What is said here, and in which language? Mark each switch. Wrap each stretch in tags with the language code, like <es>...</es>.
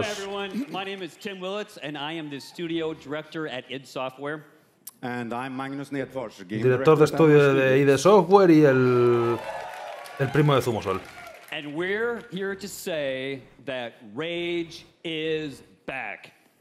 <en>Hello everyone, my name is Tim Willits and I am the studio director at id Software. And I'm Magnus Nedfors,</en> <es>director de estudio de id Software y el primo de Zumosol.</es> <en>And we're here to say that Rage is back.</en>